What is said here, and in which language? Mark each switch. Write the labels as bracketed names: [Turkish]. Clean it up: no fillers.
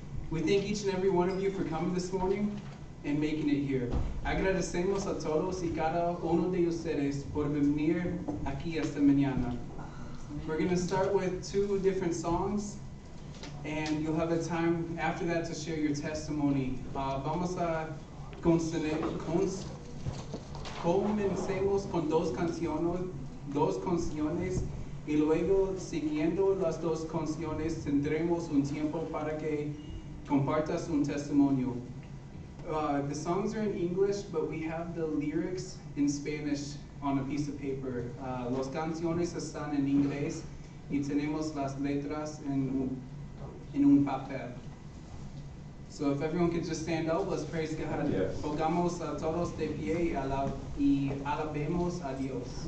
[English] We thank each and every one of you for coming this morning and making it here. [Spanish] Agradecemos a todos y cada uno de ustedes por venir aquí esta mañana. [English] We're going to start with two different songs, and you'll have the time after that to share your testimony. [Spanish] Vamos a comencemos con dos canciones, y luego, siguiendo las dos canciones, tendremos un tiempo para que compartas un testimonio. [English] The songs are in English, but we have the lyrics in Spanish on a piece of paper. [Spanish] Los canciones están en inglés y tenemos las letras en un papel. [English] So if everyone could just stand up, let's praise God. Yes. [Spanish] Pongamos a todos de pie y alabemos a Dios.